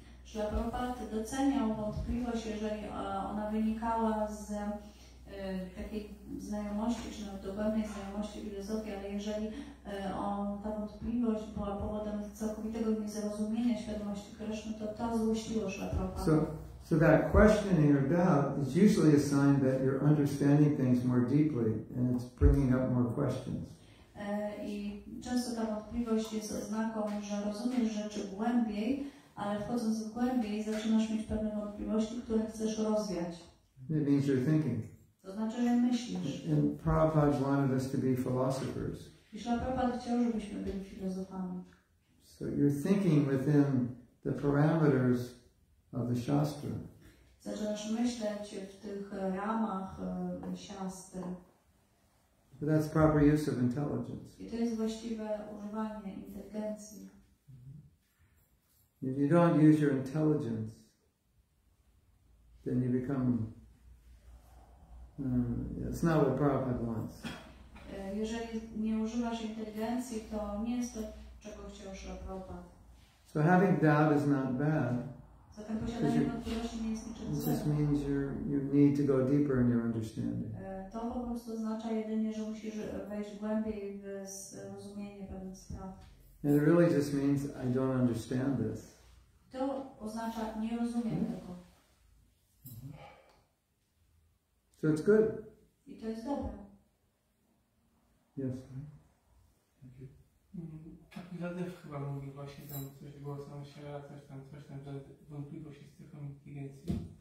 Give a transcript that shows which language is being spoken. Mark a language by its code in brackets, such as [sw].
[pl] Że Prabhupada doceniał wątpliwość, jeżeli ona wynikała z takiej znajomości, czy nawet dogłębnej znajomości filozofii, ale jeżeli ta wątpliwość była powodem całkowitego niezrozumienia świadomości Kryszny, to ta złościła Śla Prabhupada. [en] So that questioning or doubt is usually a sign that you're understanding things more deeply and it's bringing up more questions. [pl] I często ta wątpliwość jest oznaką, że rozumiesz rzeczy głębiej, ale wchodząc głębiej zaczynasz mieć pewne wątpliwości, które chcesz rozwiać. [en] It means you're thinking. [pl] To znaczy, że myślisz. [en] And Prabhupada wanted us to be philosophers. [pl] I Śla Prabhupada chciał, żebyśmy byli filozofami. [en] So you're thinking within the parameters of the Shastra. [pl] Zaczynasz myśleć w tych ramach Shastry. [en] So that's proper use of intelligence. [pl] I to jest właściwe używanie inteligencji. [en] If you don't use your intelligence, then you become... it's not what Prabhupada wants. [pl] Jeżeli nie używasz inteligencji, to nie jest to, czego chciał Śla Prabhupada. [en] So having doubt is not bad. [pl] Zatem posiadanie wątpliwości nie jest niczym złym. [en] This just means you need to go deeper in your understanding. [pl] To po prostu oznacza jedynie, że musisz wejść głębiej w zrozumienie pewnych spraw. [en] And it really just means I don't understand this. [pl] To oznacza nie rozumiem tego. [en] So it's good. [pl] I to jest dobre. [en] Yes. [pl] Taki zadew chyba mówi właśnie tam coś głosem się coś tam, że wątpliwość jest tylko inteligencji.